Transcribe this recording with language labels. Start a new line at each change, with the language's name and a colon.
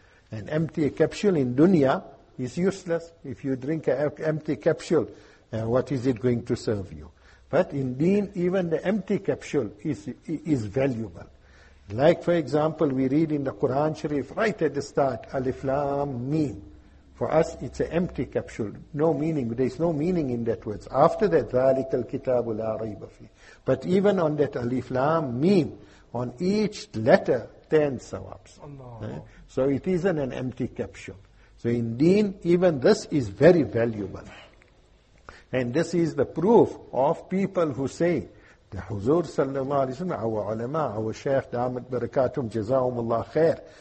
English: An empty capsule in dunya is useless. If you drink an empty capsule, what is it going to serve you? But in deen, even the empty capsule is valuable. Like, for example, we read in the Quran Sharif right at the start, Alif Lam Mim. For us, it's an empty capsule. No meaning. There's no meaning in that words. After that,
Arabic: ذَلِكَ الْكِتَابُ لَا رَيْبَ فِيهِ.
English: But even on that Alif Lam Mim, on each letter, 10 sawabs. Allah. So it isn't an empty capsule. So in deen, even this is very valuable. And this is the proof of people who say, the Huzur sallallahu alayhi wa sallam, our ulama, our shaykh, damat barakatum, jazawum Allah khair.